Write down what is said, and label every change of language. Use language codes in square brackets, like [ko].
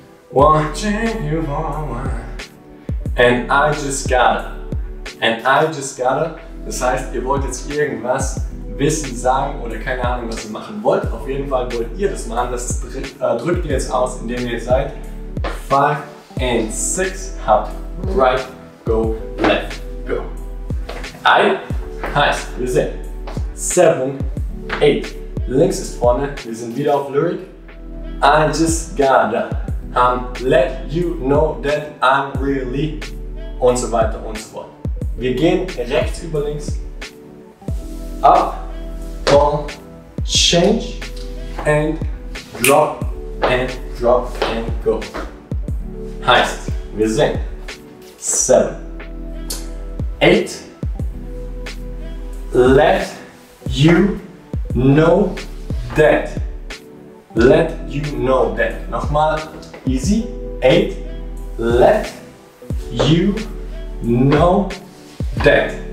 [en] Watching you for a while. And I just gotta. And I just gotta. [de] Das heißt, ihr wollt jetzt irgendwas wissen, sagen oder keine Ahnung, was ihr machen wollt. Auf jeden Fall wollt ihr das machen. Das drückt ihr jetzt aus, indem ihr seid 5 and 6. Hab [en] right, go, left, go. [de] I heißt, wir sind 7, 8. Links ist vorne, wir sind wieder auf Lyric. [en] I just gotta let you know that I'm really. [de] Und so weiter und so fort. Wir gehen rechts über links. [en] Up, down, change, and, drop, and go. [de] Heißt, wir sind 7, 8, [en] let you know that. Let you know that. Nochmal, easy. 8, let you know that.